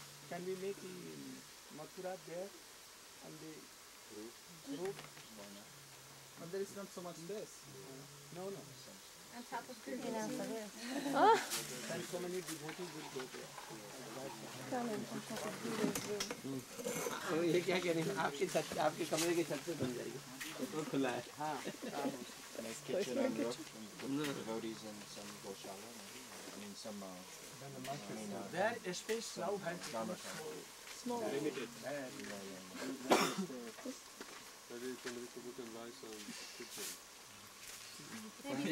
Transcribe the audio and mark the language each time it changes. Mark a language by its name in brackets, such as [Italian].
[English] Can we make it in Mathura there on the roof? But there is not so much space. No. On top of the roof. And so many devotees will go there. [Hindi] ये क्या कह रहे हैं आपके छत आपके कमरे की छत से बन जाएगी वो खुला है [English] हाँ devotees and some goshala I mean some that space now has small limited maybe you can put some kitchen